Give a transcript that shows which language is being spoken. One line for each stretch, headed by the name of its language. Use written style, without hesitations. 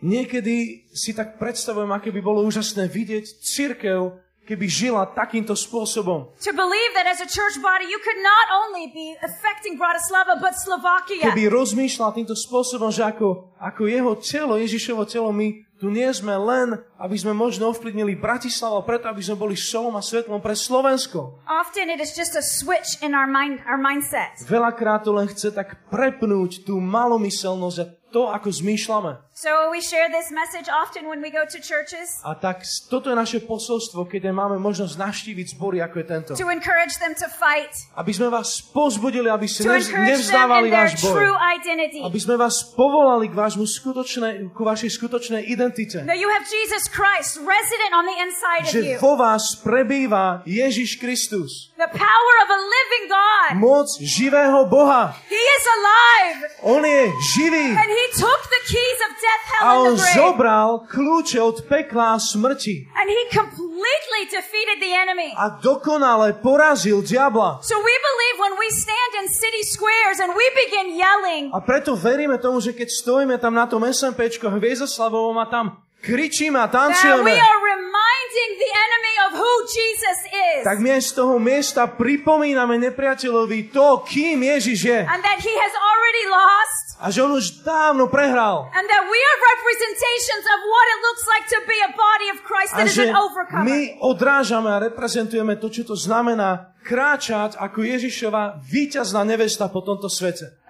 Slovak: Niekedy si tak predstavujem, aké by bolo úžasné vidieť cirkev, keby žila takýmto spôsobom.
English: To believe that as a church body you could not only be affecting Bratislava but Slovakia.
Slovak: Keby rozmýšľala týmto spôsobom, že ako jeho telo, Ježišovo telo, my tu nie sme len, aby sme možno ovplyvnili Bratislava, preto aby sme boli solom a svetlom pre Slovensko.
English: Often it is just a switch in our mindset.
Slovak: Veľakrát to len chce tak prepnúť tú malomyselnosť a to, ako zmýšľame.
English: So we share this message often when we go to churches.
Slovak: A tak toto je naše posolstvo, keď máme možnosť navštíviť zbory, ako je tento.
English: To encourage them to fight.
Slovak: Aby sme vás pozbudili, aby ste nevzdávali váš boj.
English: True identity.
Slovak: Aby sme vás povolali ku vašej skutočnej identite.
English: That you have Jesus Christ resident on the inside of you.
Slovak: Že vo vás prebýva Ježiš Kristus.
English: The power of a living God.
Slovak: Moc živého Boha.
English: He is alive.
Slovak: On je živý.
English: And he took the keys of death, hell, and the grave.
Slovak: A on zobral kľúče od pekla a smrti.
English: And he completely defeated the enemy.
Slovak: A dokonale porazil diabla.
English: So we believe when we stand in city squares and we begin yelling.
Slovak: A preto veríme tomu, že keď stojíme tam na tom SMPčko Hviezdoslavovom a tam kričíme a tancujeme.
English: That we are reminding the enemy of who Jesus is.
Slovak: Tak my aj z toho miesta pripomíname nepriateľovi to, kým Ježiš je.
English: And that he has already lost.
Slovak: A že on už dávno prehral.
English: And that we are representations of what it looks like to be a body of Christ that is an overcomer.
Slovak: A že my odrážame a reprezentujeme to, čo to znamená kráčať ako Ježišova víťazná nevesta po tomto svete.